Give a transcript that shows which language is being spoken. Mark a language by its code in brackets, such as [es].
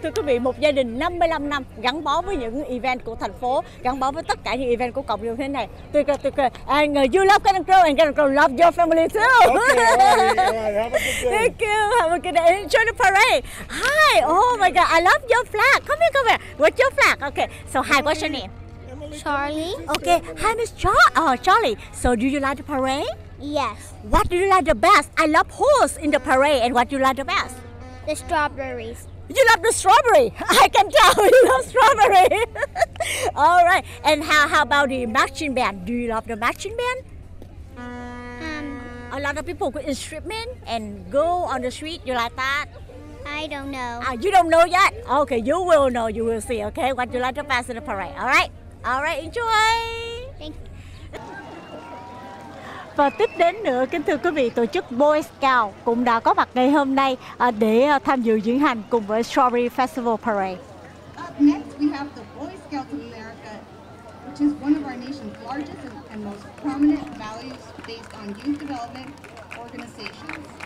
[vi] Thưa quý vị, một gia đình 55 năm gắn bó với những event của thành phố, gắn bó với tất cả những event của cộng đồng thế này. Tuyệt vời. [en] And you love Garden Grove and Garden Grove love your family too. Okay, alright. Have a good day. Thank you. Have a good day. Enjoy the parade. Hi. Oh my God. I love your flag. Come here. What's your flag? Okay. So hi, what's your name? Charlie. Okay. Hi, Miss Charlie. So do you like the parade? Yes. What do you like the best? I love horse in the parade. And what do you like the best? The strawberries. You love the strawberry. I can tell you love strawberry. All right. And how about the marching band? Do you love the marching band? A lot of people with instrument and go on the street. You like that? I don't know. You don't know yet? Okay. You will know. You will see. Okay. What you like the best in the parade? All right. All right. Enjoy. Thank you. [vi] Và tiếp đến nữa, kính thưa quý vị, tổ chức Boy Scout cũng đã có mặt ngày hôm nay để tham dự diễn hành cùng với Strawberry Festival Parade. [en] Up next, we have the Boy Scouts of America, which is one of our nation's largest and most prominent values based on youth development organizations.